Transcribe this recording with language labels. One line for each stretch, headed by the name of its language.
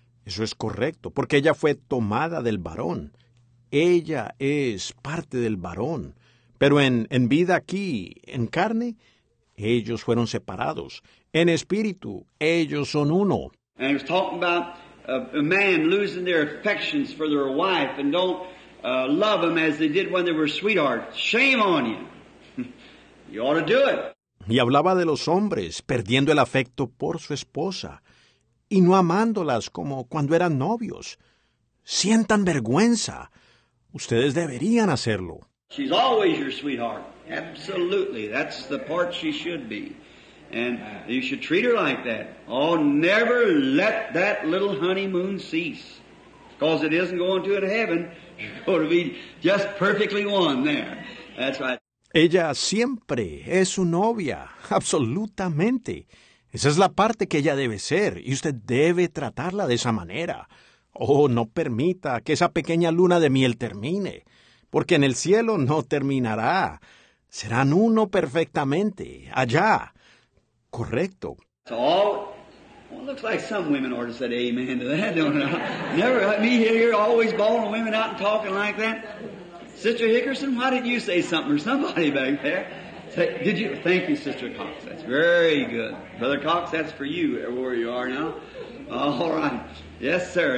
Spanish: Eso es correcto, porque ella fue tomada del varón. Ella es parte del varón, pero en vida aquí, en carne, ellos fueron separados. En espíritu, ellos son uno.
English: And he was talking about a man losing their affections for their wife and don't... love them as they did when they were sweethearts. Shame on you. You ought to do it.
Spanish: Y hablaba de los hombres perdiendo el afecto por su esposa y no amándolas como cuando eran novios. Sientan vergüenza. Ustedes deberían hacerlo.
English: She's always your sweetheart. Absolutely. That's the part she should be. And you should treat her like that. Oh, never let that little honeymoon cease. Because it isn't going to heaven. You're going to be just perfectly one there. That's right.
Spanish: Ella siempre es su novia, absolutamente. Esa es la parte que ella debe ser, y usted debe tratarla de esa manera. Oh, no permita que esa pequeña luna de miel termine, porque en el cielo no terminará. Serán uno perfectamente, allá. Correcto.
English: Well, it looks like some women ought to say amen to that, don't they? Never let me hear you always bawling women out and talking like that. Sister Hickerson, why didn't you say something or somebody back there? Say, did you? Thank you, Sister Cox. That's very good. Brother Cox, that's for you where you are now. All right. Yes, sir.